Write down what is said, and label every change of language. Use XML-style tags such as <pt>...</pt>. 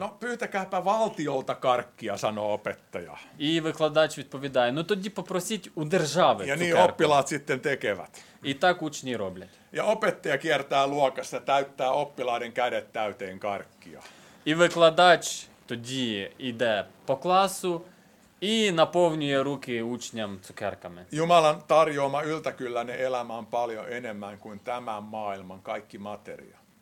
<fi>No pyytäkääpä valtiolta karkkia, sanoo opettaja.</fi> <uk>І викладач відповідає, ну тоді попросіть у держави цукерок.</uk> <fi>Ja niin oppilaat sitten tekevät.</fi> <uk>І так учні роблять.</uk> <fi>Ja opettaja kiertää luokassa, täyttää oppilaiden kädet täyteen karkkia.</fi> <uk>І викладач тоді йде по класу і наповнює руки учням цукерками.</uk> <fi>Jumalan tarjoama yltäkylläinen elämä on paljon enemmän kuin tämän maailman kaikki materia.</fi>